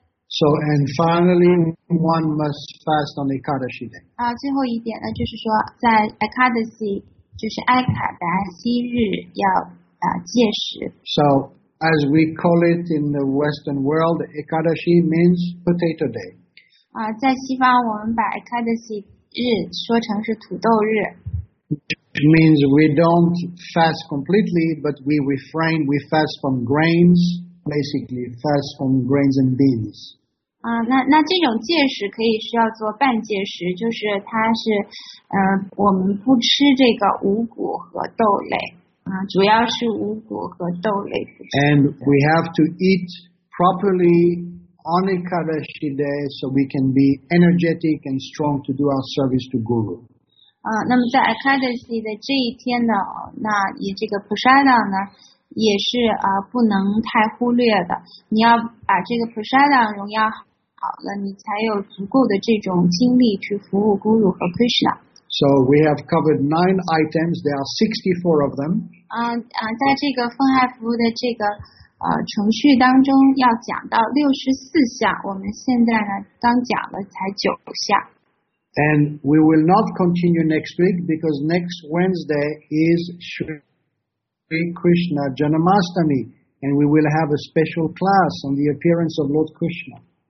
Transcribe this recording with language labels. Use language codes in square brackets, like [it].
[en] So, and finally, one must fast on Ekadashi day. [zh] 最后一点呢，就是说在 Ekadashi， 就是艾卡达西日要戒食。 [en] So, as we call it in the Western world, Ekadashi means potato day. [zh] 在西方我们把 Ekadashi 日说成是土豆日。 [en] Which means we don't fast completely, but we refrain, we fast from grains. Basically, fast from grains and beans. [zh] 那这种戒食可以是要做半戒食，就是它是，我们不吃这个五谷和豆类，主要是五谷和豆类。 [en] And we have to eat properly on Ekadashi day so we can be energetic and strong to do our service to Guru. [zh] 那么在 Ekadashi 的这一天呢，那以这个 prasadam 呢？也是不能太忽略的。你要把这个 prasadam 荣耀好了，你才有足够的这种精力去服务 Guru 和 Krishna。 [en] So we have covered 9 items. There are 64 of them. [zh] 在这个分害服务的这个程序当中要讲到64项，我们现在呢刚讲了才9项。 [en] And we will not continue next week because next Wednesday is Sri Krishna Janamastami, and we will have a special class on the appearance of Lord Krishna.